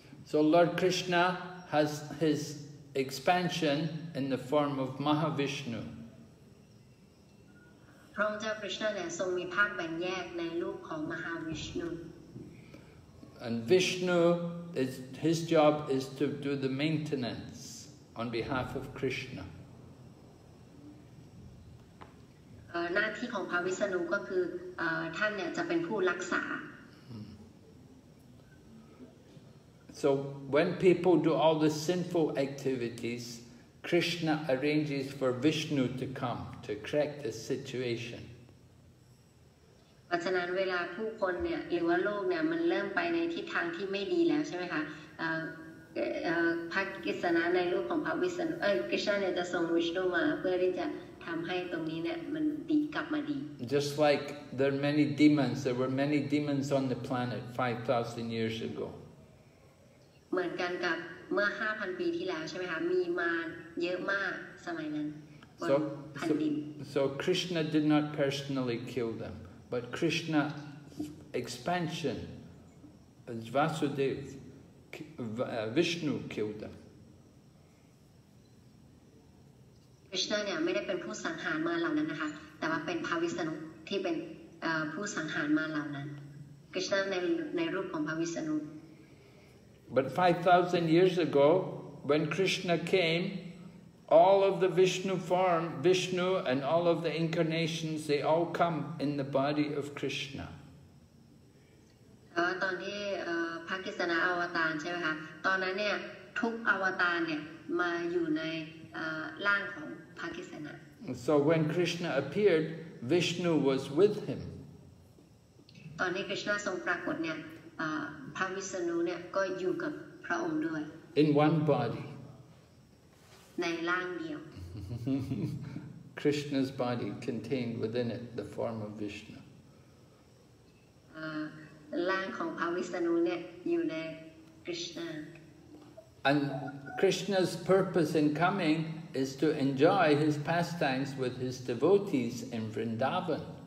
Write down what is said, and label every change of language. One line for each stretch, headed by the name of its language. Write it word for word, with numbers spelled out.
English: So Lord Krishna has his expansion in the form of Mahavishnu.
Thai: พระองค์เจ้าคริชนาเนี่ยทรงมีภาคแบ่งแยกในรูปของมหาวิชนุ
English: And Vishnu is his job is to do the maintenance on behalf of Krishna.
Thai: เอ่อหน้าที่ของพระวิษณุก็คือเอ่อท่านเนี่ยจะเป็นผู้รักษา
English: So when people do all the sinful activities, Krishna arranges for Vishnu to come to correct the situation.
Thai: เพราะฉะนั้นเวลาผู้คนเนี่ยหรือว่าโลกเนี่ยมันเริ่มไปในทิศทางที่ไม่ดีแล้วใช่ไหมคะเอ่อเอ่อพระกฤษณะในรูปของพระวิษณุเอ้ย Krishna เนี่ยจะส่งวิษณุมาเพื่อที่จะทำให้ตรงนี้เนี่ยมันดีกลับมาดี
English: Just like there are many demons, there were many demons on the planet five thousand years ago.
Thai: เหมือนกันกับเมื่อ ห้าพัน ปีที่แล้วใช่ไหมคะมีมารเยอะมากสมัยนั้นบนแผ่นดิน
English: So Krishna did not personally kill them, but Krishna's expansion, Vasudeva, Vishnu killed them.
Thai: Krishna เนี่ยไม่ได้เป็นผู้สังหารมารเหล่านั้นนะคะแต่ว่าเป็นพระวิษณุที่เป็นผู้สังหารมารเหล่านั้น Krishna ในในรูปของพระวิษณุ
English: But five thousand years ago, when Krishna came, all of the Vishnu form, Vishnu and all of the incarnations, they all come in the body of Krishna.
Thai: ตอนที่พระกฤษณะอวตารใช่ไหมคะตอนนั้นเนี่ยทุกอวตารเนี่ยมาอยู่ในร่างของพระกฤษณะ
English: So when Krishna appeared, Vishnu was with him.
Thai: ตอนที่คริชนาทรงปรากฏเนี่ยพระวิษณุเนี่ยก็อยู่กับพระองค์ด้วย
English: In one body
Thai: ในร่างเดียว
English: Krishna's body contained within it the form of Vishnu
Thai: ร่างของพระวิษณุเนี่ยอยู่ใน Krishna
English: And Krishna's purpose in coming is to enjoy his pastimes with his devotees in Vrindavan